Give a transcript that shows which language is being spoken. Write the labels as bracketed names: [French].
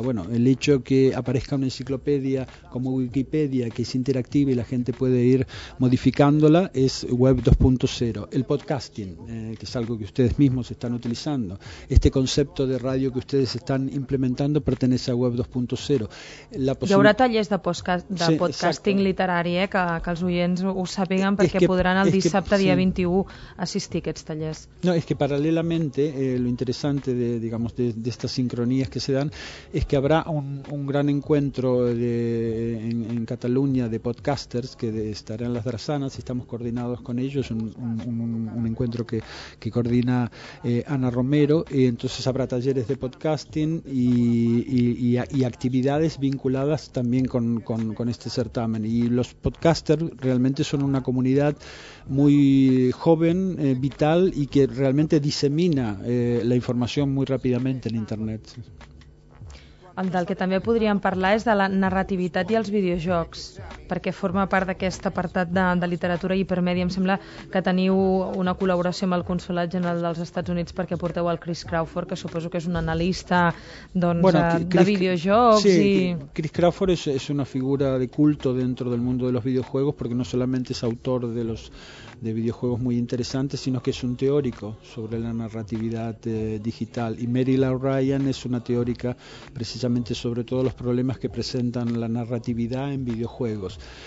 [Spanish] Bueno, el hecho que aparezca una enciclopedia como Wikipedia, que es interactiva y la gente puede ir modificándola, es Web 2.0. El podcasting, que es algo que ustedes mismos están utilizando. Este concepto de radio que ustedes están implementando pertenece a Web 2.0. [Catalan] Hi haurà tallers de sí, podcasting, exacte, literari, que els oients ho sàpiguen, perquè podran el dissabte, dia 21, assistir a aquests tallers. [Spanish] No, es que [Catalan] paral·lelament, [Spanish] lo interesante de estas sincronías que se dan es que habrá un gran encuentro en Cataluña de podcasters estará en Las Drassanas, y estamos coordinados con ellos, un encuentro que coordina Ana Romero, y entonces habrá talleres de podcasting y actividades vinculadas también con este certamen. Y los podcasters realmente son una comunidad muy joven, vital, y que realmente disemina la información muy rápidamente en Internet. [Catalan] El del que també podríem parlar és de la narrativitat i els videojocs, perquè forma part d'aquest apartat de literatura i hipermèdia. Em sembla que teniu una col·laboració amb el Consolat General dels Estats Units perquè porteu el Chris Crawford, que suposo que és un analista de videojocs. [Spanish] Sí, Chris Crawford [Catalan] és [Spanish] una figura de culto dentro del mundo de los videojuegos, porque no solamente es autor de los de videojuegos muy interesante, sino que es un teórico sobre la narratividad digital. Y Mary Lou Ryan es una teórica precisamente sobre todos los problemas que presentan la narratividad en videojuegos.